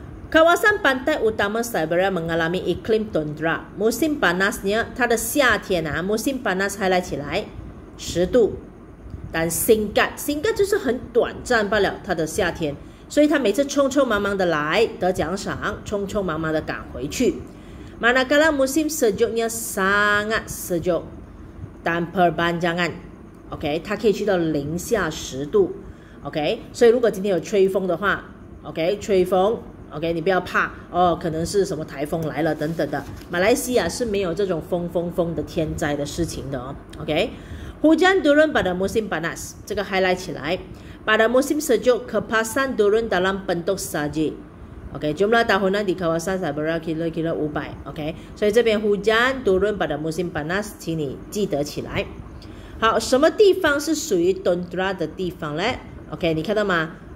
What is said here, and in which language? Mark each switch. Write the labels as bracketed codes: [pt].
[ms] Kawasan Pantai Utama Siberia mengalami iklim Tundra， musim panasnya [zh] 它的夏天啊 musim panas highlight 起来十度，但 singkat 就是很短暂罢了，他的夏天，所以他每次匆匆忙忙的来得奖赏，匆匆忙忙的赶回去。 [ms] Manakala musim sejuknya sangat sejuk dan perpanjangan， OK， [zh] 他可以去到零下十度。 OK， 所以如果今天有吹风的话， OK， 吹风 OK， 你不要怕哦，可能是什么台风来了等等的。马来西亚是没有这种风的天灾的事情的哦。 [ms] OK，Hujan turun pada musim panas， [zh] 这个 [ms] highlight 起来。 Pada musim sejuk kepasan turun dalam bentuk salji， OK， jumlah tahunan di kawasan Siberia kira-kira 500， OK， [zh] 所以这边 [ms] hujan turun pada musim panas， [zh] 请你记得起来。好，什么地方是属于 Tundra 的地方呢？OK， 你看到吗？